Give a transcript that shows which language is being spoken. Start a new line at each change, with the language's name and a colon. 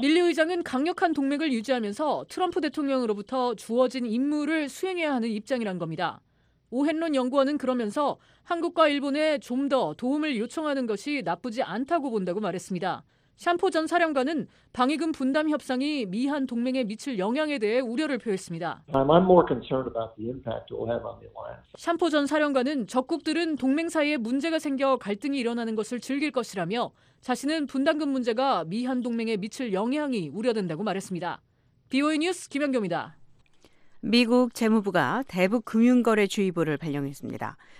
Korean: 밀리 의장은 강력한 동맹을 유지하면서 트럼프 대통령으로부터 주어진 임무를 수행해야 하는 입장이란 겁니다. 오헨론 연구원은 그러면서 한국과 일본에 좀 더 도움을 요청하는 것이 나쁘지 않다고 본다고 말했습니다. 샴포 전 사령관은 방위금 분담 협상이 미한 동맹에 미칠 영향에 대해 우려를 표했습니다.
English: I'm more concerned about the impact it will have on the alliance.
Korean: 샴포 전 사령관은 적국들은 동맹 사이에 문제가 생겨 갈등이 일어나는 것을 즐길 것이라며 자신은 분담금 문제가 미한 동맹에 미칠 영향이 우려된다고 말했습니다. BOA 뉴스 김연경입니다. 미국 재무부가 대북 금융거래주의보를 발령했습니다.